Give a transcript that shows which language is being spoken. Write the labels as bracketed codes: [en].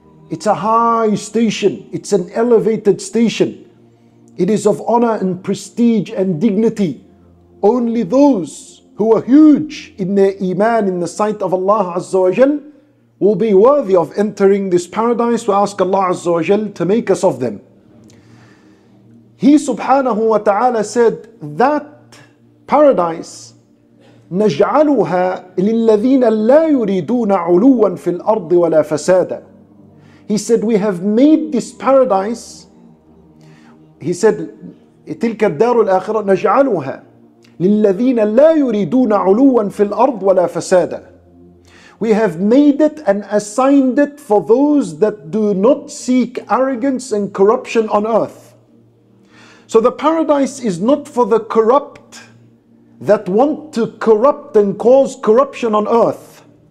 [en] It's a high station, it's an elevated station. It is of honor and prestige and dignity. Only those who are huge in their iman in the sight of Allah Azza wa Jal will be worthy of entering this paradise. We ask Allah Azza wa Jal to make us of them. He subhanahu wa ta'ala said that paradise, [ar] نجعلها للذين لا يريدون علوا في الأرض ولا فسادا. [en] He said, we have made this paradise. He said, [ar] تلك الدار الآخرة نجعلها للذين لا يريدون علوا في الأرض ولا فسادا. [en] We have made it and assigned it for those that do not seek arrogance and corruption on earth. So the paradise is not for the corrupt that want to corrupt and cause corruption on earth.